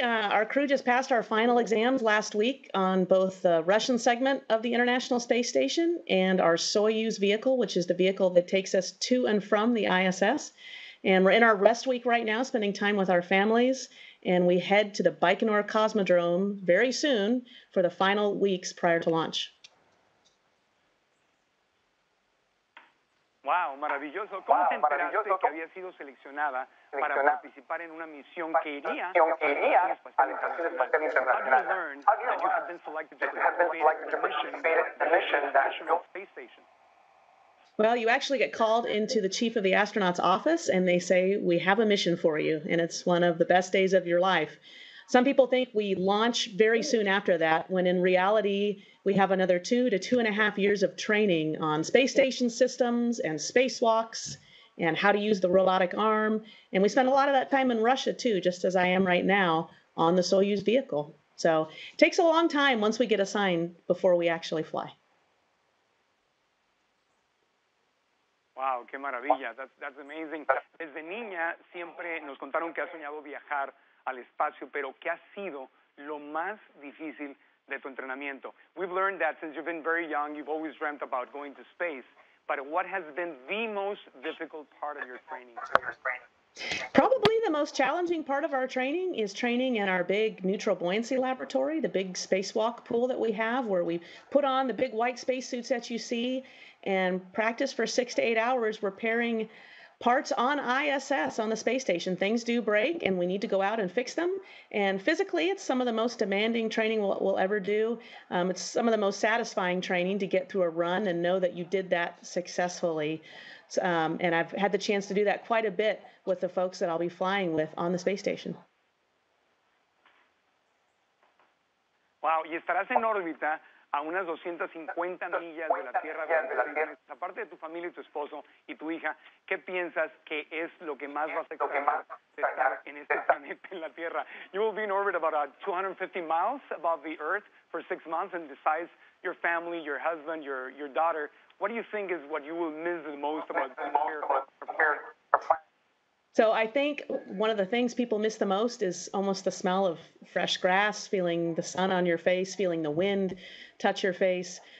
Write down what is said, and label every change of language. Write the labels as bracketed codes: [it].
[en] Our crew just passed our final exams last week on both the Russian segment of the International Space Station and our Soyuz vehicle, which is the vehicle that takes us to and from the ISS. And we're in our rest week right now, spending time with our families, and we head to the Baikonur Cosmodrome very soon for the final weeks prior to launch. [es] Wow, maravilloso. ¿Cómo te enteraste que había sido seleccionada para participar en una misión que iría a la Estación Espacial Internacional? [en] How did you learn that you have been selected to participate in the mission? Well, you actually get called into the chief of the astronaut's office, and they say, we have a mission for you, and it's one of the best days of your life. Some people think we launch very soon after that, when in reality, we have another 2 to 2.5 years of training on space station systems and spacewalks and how to use the robotic arm. And we spend a lot of that time in Russia, too, just as I am right now on the Soyuz vehicle. So it takes a long time once we get assigned before we actually fly. [es] Wow, qué maravilla. [en] That's amazing. [es] Desde niña siempre nos contaron que has soñado viajar al espacio, pero ¿qué ha sido lo más difícil de tu entrenamiento? [en] We've learned that since you've been very young, you've always dreamt about going to space, but what has been the most difficult part of your training? Probably the most challenging part of our training is training in our big neutral buoyancy laboratory, the big spacewalk pool that we have, where we put on the big white spacesuits that you see and practice for 6 to 8 hours repairing parts on ISS, on the space station. Things do break, and we need to go out and fix them. And physically, it's some of the most demanding training we'll ever do. It's some of the most satisfying training to get through a run and know that you did that successfully. And I've had the chance to do that quite a bit with the folks that I'll be flying with on the space station. [es] Wow, y estarás en órbita a unas 250 millas de la Tierra. Aparte de tu familia y tu esposo y tu hija, ¿qué piensas que es lo que más vas a extrañar de estar en este planeta, en la Tierra? [en] You will be in orbit about 250 miles above the Earth for 6 months, and besides your family, your husband, your daughter, what do you think is what you will miss the most about being here? So I think one of the things people miss the most is almost the smell of fresh grass, feeling the sun on your face, feeling the wind touch your face.